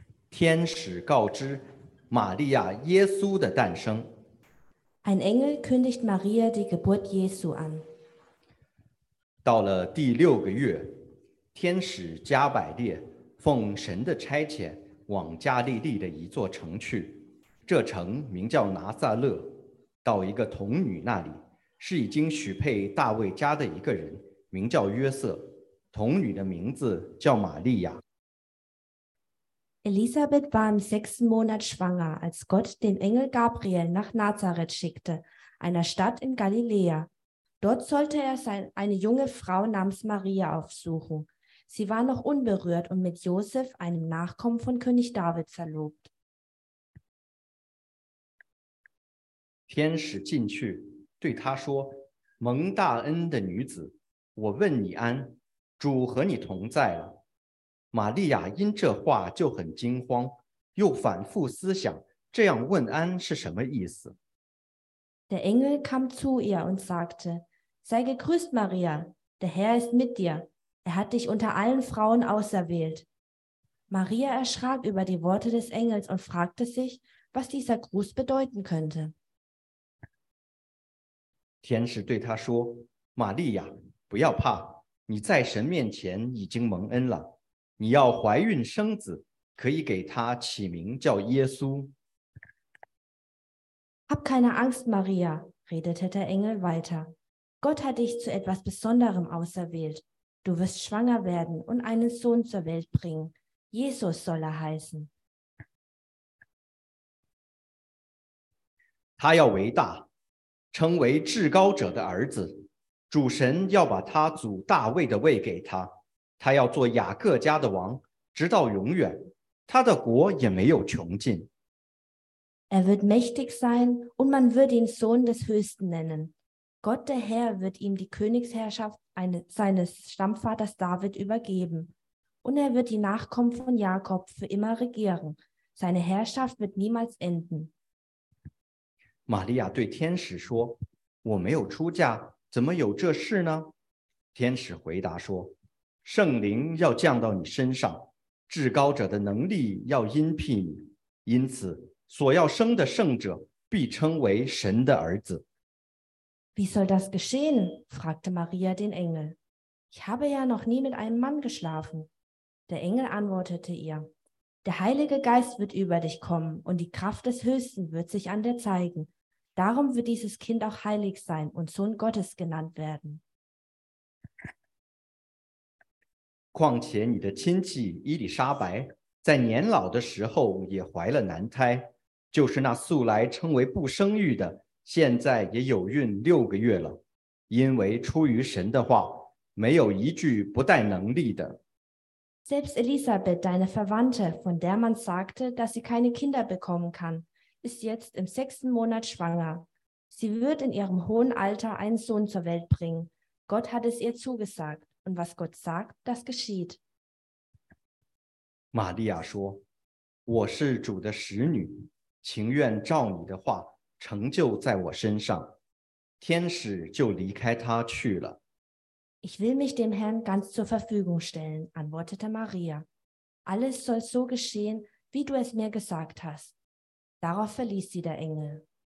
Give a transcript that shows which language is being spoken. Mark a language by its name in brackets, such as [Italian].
[Chinese] 天使告知玛利亚耶稣的诞生。 [German] Ein Engel kündigt Maria die Geburt Jesu an. [Chinese] 到了第六个月，天使加百列奉神的差遣往加利利的一座城去，这城名叫拿撒勒，到一个童女那里，是已经许配大卫家的一个人，名叫约瑟，童女的名字叫玛利亚。 [German] Elisabeth war im sechsten Monat schwanger, als Gott den Engel Gabriel nach Nazareth schickte, einer Stadt in Galiläa. Dort sollte er eine junge Frau namens Maria aufsuchen. Sie war noch unberührt und mit Josef, einem Nachkommen von König David, verlobt. [Chinese] 天使进去，对他说：蒙大恩的女子，我问你安，主和你同在了。玛利亚因这话就很惊慌，又反复思想，这样问安是什么意思。 [German] Der Engel kam zu ihr und sagte, Sei gegrüßt, Maria, der Herr ist mit dir, er hat dich unter allen Frauen auserwählt. Maria erschrak über die Worte des Engels und fragte sich, was dieser Gruß bedeuten könnte. [Chinese] 天使对他说，玛利亚，不要怕，你在神面前已经蒙恩了。你要怀孕生子，可以给他起名叫耶稣。 [German] Hab keine Angst, Maria, redete der Engel weiter. Gott hat dich zu etwas Besonderem auserwählt. Du wirst schwanger werden und einen Sohn zur Welt bringen. Jesus soll er heißen. [Chinese] 他要为大，称为至高者的儿子。主神要把他祖大卫的位给他。他要做雅各家的王，直到永远，他的国也没有穷尽。 [German] Er wird mächtig sein, und man wird ihn Sohn des Höchsten nennen. Gott der Herr wird ihm die Königsherrschaft seines Stammvaters David übergeben. Und er wird die Nachkommen von Jakob für immer regieren. Seine Herrschaft wird niemals enden. [Chinese] Maria 对天使说，我没有出嫁，怎么有这事呢？天使回答说，圣灵要降到你身上，至高者的能力要荫庇你，因此所要生的圣者必称为神的儿子。 [German] Wie soll das geschehen? Fragte Maria den Engel. Ich habe ja noch nie mit einem Mann geschlafen. Der Engel antwortete ihr: Der Heilige Geist wird über dich kommen und die Kraft des Höchsten wird sich an dir zeigen. Darum wird dieses Kind auch heilig sein und Sohn Gottes genannt werden. [Chinese] 况且你的亲戚伊丽莎白在年老的时候也怀了男胎，就是那素来称为不生育的，现在也有孕六个月了。因为出于神的话，没有一句不带能力的。 [German] Selbst Elisabeth, deine Verwandte, von der man sagte, dass sie keine Kinder bekommen kann, ist jetzt im sechsten Monat schwanger. Sie wird in ihrem hohen Alter einen Sohn zur Welt bringen. Gott hat es ihr zugesagt. Und was Gott sagt, das geschieht. [Chinese] Maria 说，我是主的使女，情愿照你的话成就在我身上。天使就离开她去了。 [German] Ich will mich dem Herrn ganz zur Verfügung stellen, antwortete Maria. Alles soll so geschehen, wie du es mir gesagt hast. Darauf verließ sie der Engel.